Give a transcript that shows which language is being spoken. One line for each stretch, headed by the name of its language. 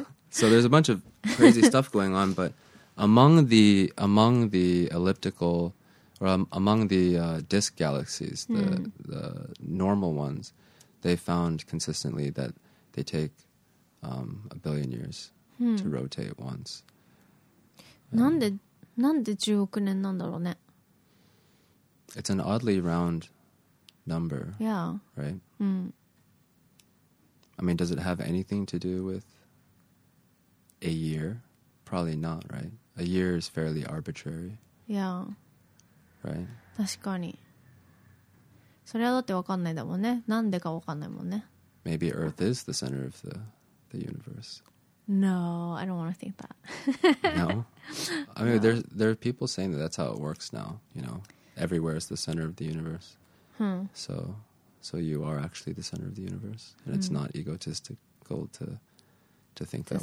English: So there's a bunch of crazy stuff going on, but among the elliptical, or among the disk galaxies, the normal ones, they found consistently that they take a billion years to rotate once.
Japanese: なんで10億年なんだろうね?
English: It's an oddly round number. Yeah. Right? Mm. I mean, does it have anything to do with a year? Probably not, right? A year is fairly arbitrary. Yeah. Right?
Japanese: 確かに。それはだって分かんないだもんね。なんでか分かんないもんね。
English: Maybe Earth is the center of the universe. No, I don't want to think that. No? I mean, there are people saying that that's how it works now, you know? Everywhere is the center of the universe. So you are actually the center of the universe. And it's not egotistical to think that way.